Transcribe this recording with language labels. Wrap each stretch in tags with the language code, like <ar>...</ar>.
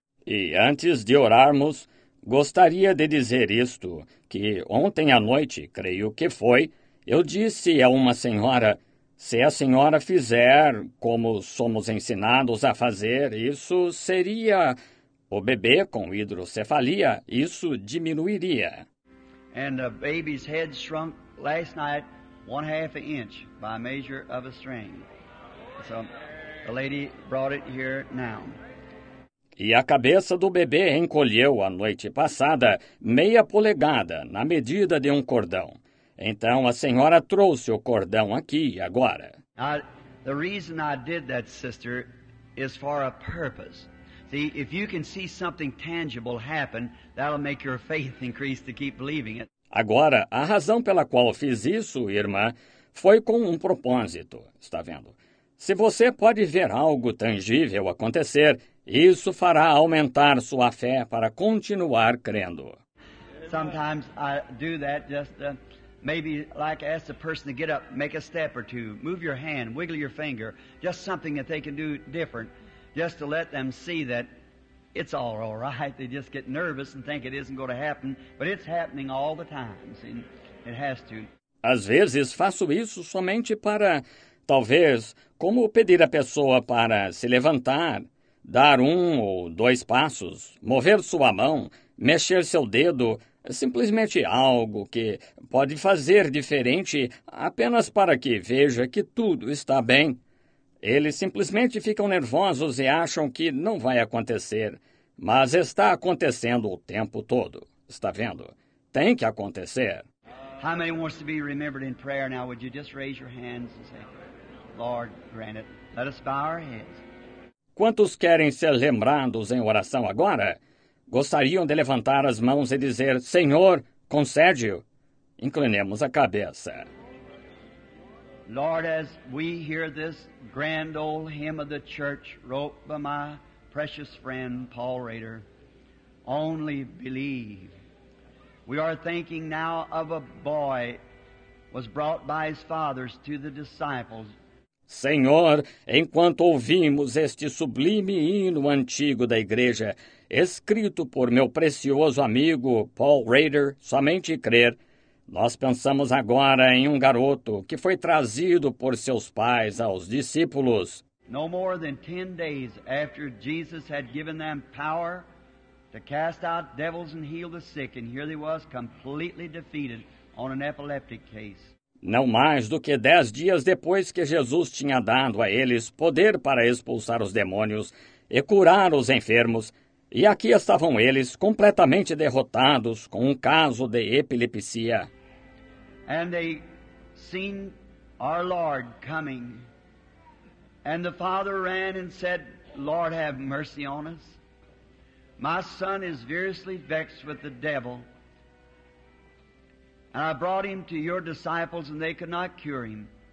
<pt>E antes de orarmos, gostaria de dizer isto, que ontem à noite, creio que foi, eu disse a uma senhora, se a senhora fizer como somos ensinados a fazer, isso seria o bebê com hidrocefalia, isso diminuiria.</pt> <en>And the baby's head shrunk last night 1/2 inch by measure of a string. So the lady brought it here now.</en> <pt>E a cabeça do bebê encolheu a noite passada 1/2 polegada na medida de um cordão. Então, a senhora trouxe o cordão aqui, agora.</pt> <en>The reason I did that, sister, is for a purpose. See, if you can see something tangible happen, that'll make your faith increase to keep believing it.</en> <pt>Agora, a razão pela qual fiz isso, irmã, foi com um propósito, está vendo? Se você pode ver algo tangível acontecer, isso fará aumentar sua fé para continuar crendo.</pt> <en>Sometimes I do that just... Maybe like ask the person to get up, make a step or two, move your hand, wiggle your finger, just something that they can do different, just to let them see that it's all right. They just get nervous and think it isn't going to happen, but it's happening all the time. See, it has to.</en> <pt>Às vezes faço isso somente para, talvez, como pedir a pessoa para se levantar, dar um ou dois passos, mover sua mão, mexer seu dedo, simplesmente algo que pode fazer diferente apenas para que veja que tudo está bem. Eles simplesmente ficam nervosos e acham que não vai acontecer, mas está acontecendo o tempo todo. Está vendo? Tem que acontecer.</pt> <en>How many wants to be remembered in prayer now? Would you just raise your hands and say, Lord, grant it. Let us bow our heads.</en> <pt>Quantos querem ser lembrados em oração agora? Gostariam de levantar as mãos e dizer, Senhor, concede-o. Inclinemos a cabeça.</pt> <en>Lord, as we hear this grand old hymn of the church wrote by my precious friend Paul Rader, only believe. We are thinking now of a boy was brought by his fathers to the disciples.</en> <pt>Senhor, enquanto ouvimos este sublime hino antigo da igreja, escrito por meu precioso amigo Paul Rader, Somente Crer, nós pensamos agora em um garoto que foi trazido por seus pais aos discípulos.</pt> <en>No more than 10 days after Jesus had given them power to cast out devils and heal the sick, and here they was completely defeated on an epileptic case.</en> <pt>Não mais do que 10 dias depois que Jesus tinha dado a eles poder para expulsar os demônios e curar os enfermos, e aqui estavam eles completamente derrotados com um caso de epilepsia.</pt> <en>And they seen our Lord coming. And the father ran and said, Lord, have mercy on us. My son is seriously vexed with the devil. And I brought him to your disciples, and they could not cure him.</en>